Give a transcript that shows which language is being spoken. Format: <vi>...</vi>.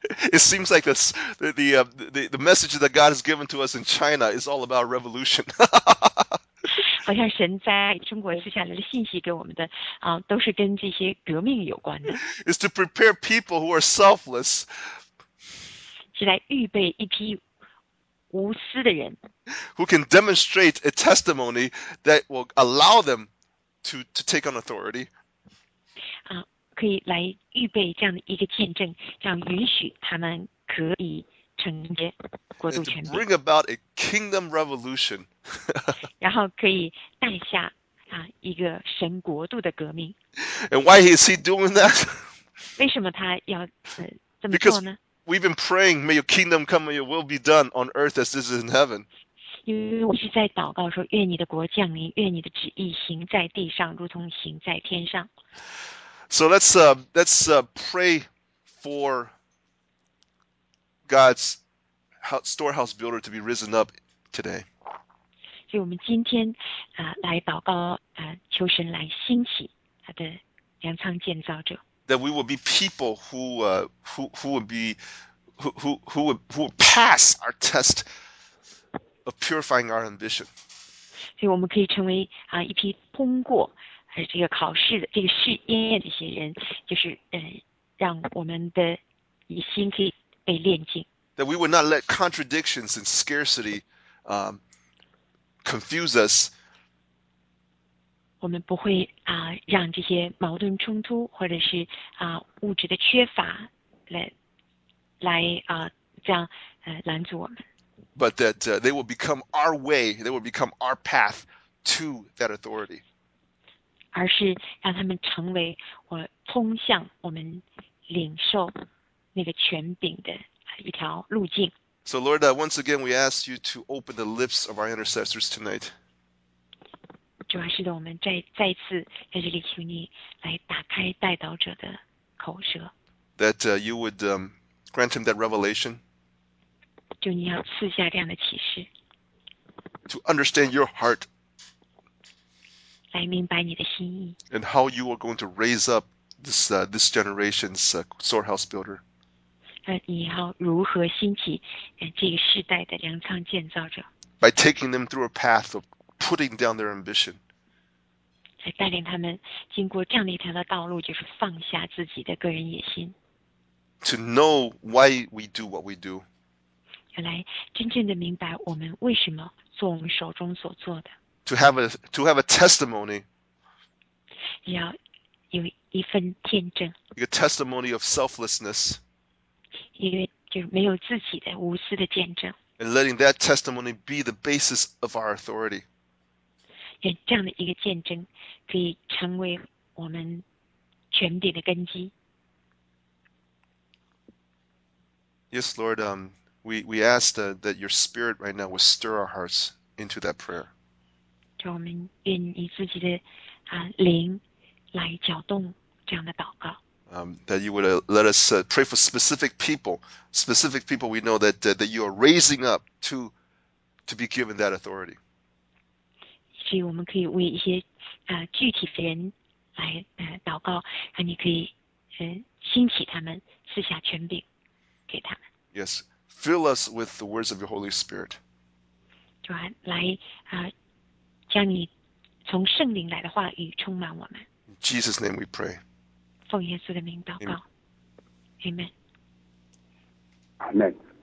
<en>It seems like the message that God has given to us in China is all about revolution.</en> <zh>好像神在中国接下来的信息给我们的都是跟这些革命有关的。</zh> <en>Is to prepare people who are selfless.</en> <zh>是来预备一批无私的人。</zh> <en>Who can demonstrate a testimony that will allow them to take on authority.</en> <zh>可以来预备这样的一个见证，这样允许他们可以承接国度权柄。</zh> <en>And to bring about a kingdom revolution.</en> <zh>然后可以带下一个神国度的革命。</zh> <en>And why is he doing that?</en> <zh>为什么他要这么做呢？</zh> <en>Because we've been praying, may your kingdom come, may your will be done on earth as it is in heaven.</en> <zh>因为我是在祷告说，愿你的国降临，愿你的旨意行在地上，如同行在天上。</zh> <en>So let's pray for God's storehouse builder to be risen up today.</en> <zh>所以我们今天来祷告求神来兴起他的粮仓建造者。</zh> <en>That we will be people who will pass our test of purifying our ambition.</en> <zh>所以我们可以成为一批通过。而这个考试的这个试验的这些人，就是让我们的以心可以被炼净。</zh> <en>That we would not let contradictions and scarcity, confuse us.</en> <zh>我们不会让这些矛盾冲突或者是物质的缺乏来这样拦阻我们。</zh> <en>But that they will become our way, they will become our path to that authority.</en> <zh>而是让他们成为我通向我们领受那个权柄的一条路径。</zh> <en>So Lord, once again, we ask you to open the lips of our intercessors tonight.</en> <zh>主啊，是的，我们再次在这里求你来打开代祷者的口舌。</zh> <en>That you would grant him that revelation.</en> <zh>就你要赐下这样的启示。</zh> <en>To understand your heart.</en> <zh>来明白你的心意。</zh> <en>And how you are going to raise up this, this generation's storehouse builder.</en> <zh>你要如何兴起这个世代的粮仓建造者。</zh> <en>By taking them through a path of putting down their ambition.</en> <zh>来带领他们经过这样的一条的道路，就是放下自己的个人野心。</zh> <en>To know why we do what we do.</en> <zh>要来真正的明白我们为什么做我们手中所做的。</zh> <en>To have a testimony,</en> <zh>要有一份见证。</zh> <en>A testimony of selflessness,</en> <zh>一个就是没有自己的无私的见证。</zh> <en>And letting that testimony be the basis of our authority.</en> <zh>这样的一个见证可以成为我们权柄的根基。</zh> <en>Yes, Lord, we ask that your Spirit right now will stir our hearts into that prayer.</en> <zh>让我们愿以自己的灵来搅动这样的祷告。</zh> <en>That you would let us pray for specific people we know that you are raising up to to be given that authority.</en> <zh>所以我们可以为一些具体的人来祷告，让你可以兴起他们，赐下权柄给他们。</zh> <en>Yes, fill us with the words of your Holy Spirit.</en> <zh>主啊，来将你从圣灵来的话语充满我们。</zh> <en>In Jesus' name we pray.</en> <zh>奉耶稣的名祷告。Amen.</zh> <en>Amen.</en>